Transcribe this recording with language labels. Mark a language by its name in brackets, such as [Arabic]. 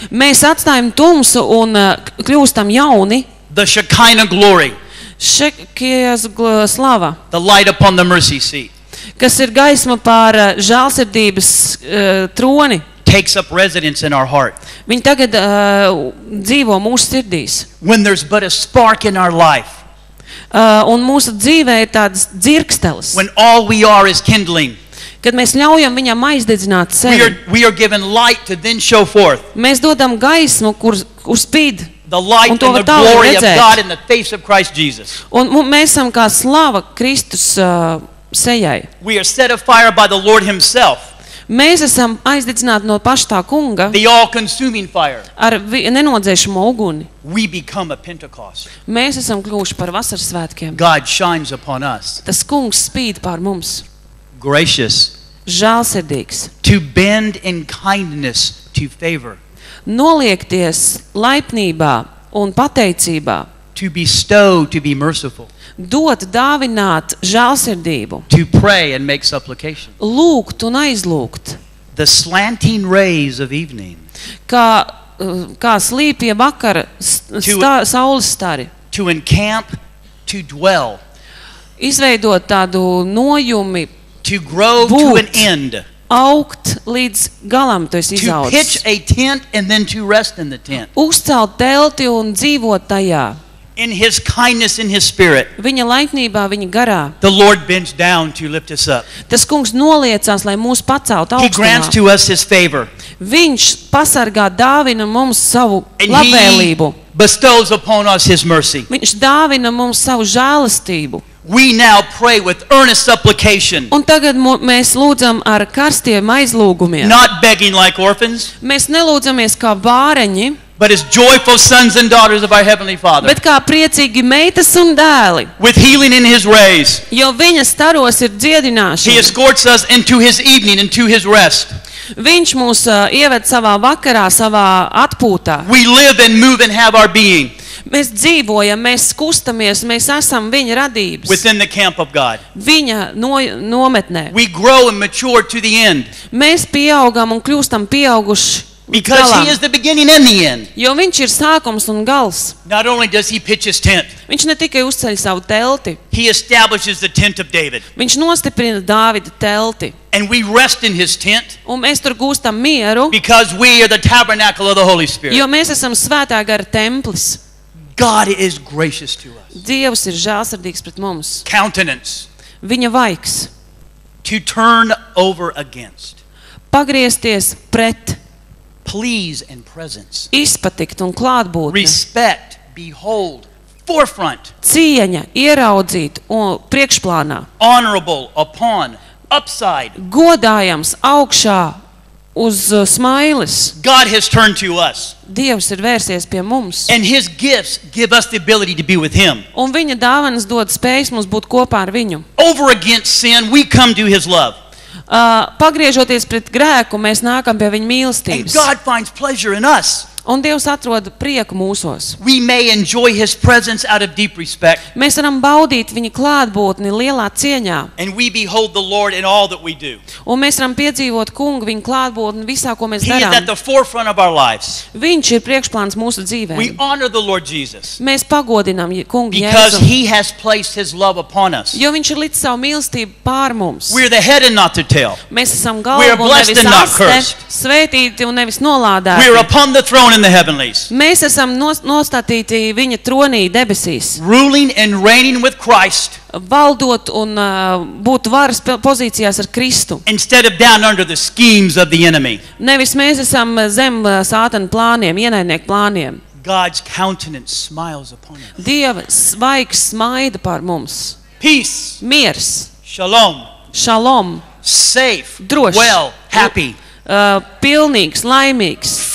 [Latvian] Mēs atstājam tumsu un kļūstam jauni. [English] The Shekinah glory. [Latvian] Shekinah slava. [English] The light upon the mercy seat. [Latvian] Kas ir gaisma pār žālsirdības troni. [English] Takes up residence in our heart. [Latvian] Viņi tagad dzīvo mūsu sirdīs. [English] When there's but a spark in our life. [Latvian] Un mūsu dzīvē ir tāds dzirkstelis. [English] When all we are is kindling. [Latvian] Kad mēs ļaujam viņam aizdedzināt sevi. [English] We are given light to then show forth. [Latvian] Mēs dodam gaismu, kur uzspīd. [English] The light and the glory of God in the face of Christ Jesus. [Latvian] Un mēs esam kā slava Kristus sejai. [English] We are set afire by the Lord himself. [Latvian] Mēs esam aizdedzināti no paštā Kunga. [English] The all-consuming fire. [Latvian] Ar nenodzēšamo uguni. [English] We become a Pentecost. [Latvian] Mēs esam kļuvuši par vasaras svētkiem. [English] God shines upon us. [Latvian] Tas Kungs spīd pār mums. [English] Gracious. [Latvian] Žālsirdīgs. [English] To bend in kindness to favor. [Latvian] Noliekties laipnībā un pateicībā. [English] To bestow, to be merciful. [Latvian] Dot, dāvināt žālsirdību. [English] To pray and make supplication. [Latvian] Lūgt un aizlūgt. [English] The slanting rays of evening. [Latvian] Kā slīpie vakara saules stari. [English] To encamp, to dwell. [Latvian] Izveidot tādu nojumi. [English] To grow [Latvian] būt. [English] To an end. [Latvian] Augt līdz galam, tu esi izaudzis. [English] To pitch a tent and then to rest in the tent. [Latvian] Uzcelt telti un dzīvot tajā. [English] In his kindness, in his spirit. [Latvian] Viņa laipnībā, viņa garā. [English] The Lord bends down to lift us up. [Latvian] Tas Kungs noliecās, lai mūs paceltu augstumā. [English] He grants to us his favor. [Latvian] Viņš pasargā, dāvina mums savu labvēlību. [English] And he bestows upon us his mercy. [Latvian] Viņš dāvina mums savu žēlastību. [English] We now pray with earnest supplication. [Latvian] Un tagad mēs lūdzam ar karstiem aizlūgumiem. [English] Not begging like orphans. [Latvian] Mēs nelūdzamies kā bāreņi. [English] But as joyful sons and daughters of our heavenly Father. [Latvian] Bet kā priecīgi meitas un dēli. [English] With healing in his rays. [Latvian] Jo viņa staros ir dziedināšana. [English] He escorts us into his evening and to his rest. [Latvian] Viņš mūs ieved savā vakarā, savā atpūtā. [English] We live and move and have our being. [Latvian] Mēs dzīvojam, mēs kustamies, mēs esam viņa radības. [English] Within the camp of God. [Latvian] Viņa nometnē. [English] We grow and mature to the end. [Latvian] Mēs pieaugam un kļūstam pieauguši. [English] Because [Latvian] galam. [English] He is the beginning and the end. [Latvian] Jo viņš ir sākums un gals. [English] Not only does he pitch his tent. [Latvian] Viņš ne tikai uzceļ savu telti. [English] He establishes the tent of David. [Latvian] Viņš nostiprina Dāvida telti. [English] And we rest in his tent. [Latvian] Un mēs tur gūstam mieru. [English] Because we are the tabernacle of the Holy Spirit. [Latvian] Jo mēs esam svētā gara templis. [English] God is gracious to us. [Latvian] Dievs ir žālsirdīgs pret mums. [English] Countenance. [Latvian] Viņa vaiks. [English] To turn over against. [Latvian] Pagriezties pret. [English] please and presence. [Latvian] Izpatikt un klātbūtne. [English] Respect, behold, forefront. [Latvian] Cieņa, ieraudzīt un priekšplānā. [English] Honorable, upon, upside. [Latvian] Godājams, augšā, uz smailes. [English] God has turned to us. [Latvian] Dievs ir vērsies pie mums. [English] And his gifts give us the ability to be with him. [Latvian] Un viņa dāvanas dod spējas mums būt kopā ar viņu. [English] Over against sin, we come to his love. [Latvian] Pagriežoties pret grēku, mēs nākam pie viņa mīlestības. [English] And God finds pleasure in us. [Latvian] Un Dievs atrod prieku mūsos. [English] We may enjoy his presence out of deep respect. [Latvian] Mēs varam baudīt viņa klātbūtni lielā cieņā. [English] And we behold the Lord in all that we do. [Latvian] Un mēs varam piedzīvot Kungu viņa klātbūtni visā, ko mēs darām. [English] He is at the forefront of our lives. [Latvian] Viņš ir priekšplāns mūsu dzīvē. [English] We honor the Lord Jesus. [Latvian] Mēs pagodinām Kungu Jēzu. [English] Because he has placed his love upon us. [Latvian] Jo viņš ir licis savu mīlestību pār mums. [English] We are the head and not the tail. [Latvian] Mēs esam galva un nevis aste. [English] We are blessed and not cursed. [Latvian] Svētīti un nevis nolādāti. [English] We are upon the throne in the heavenlies. [Latvian] Mēs esam nostatīti viņa tronī debesīs. [English] Ruling and reigning with Christ. [Latvian] Valdot un būt varas pozīcijās ar Kristu. [English] Instead of down under the schemes of the enemy. [Latvian] Nevis mēs esam zem Sātana plāniem, ienaidnieku plāniem. [English] God's countenance smiles upon us. [Latvian] Dieva svaigs smaida par mums. [English] Peace. [Latvian] Miers. [English] Shalom. [Latvian] Shalom. [English] Safe. [Latvian] Droši. [English] Well, happy. [Latvian] Pilnīgs, laimīgs.